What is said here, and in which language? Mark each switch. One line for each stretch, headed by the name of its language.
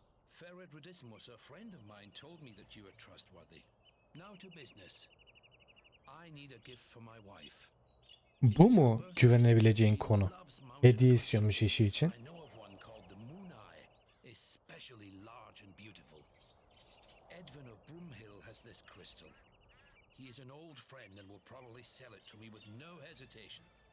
English: Ferret Redissimus, a friend of mine, told me that you are trustworthy. Now to business. I need a gift for my wife.
Turkish: Bu mu güvenebileceğin konu? Hediye istiyormuş eşi için.
English: I know of one called the Moon Eye, especially large and beautiful. Edwin of Broomhill has this crystal. He is an old friend and will probably sell it to me with no hesitation.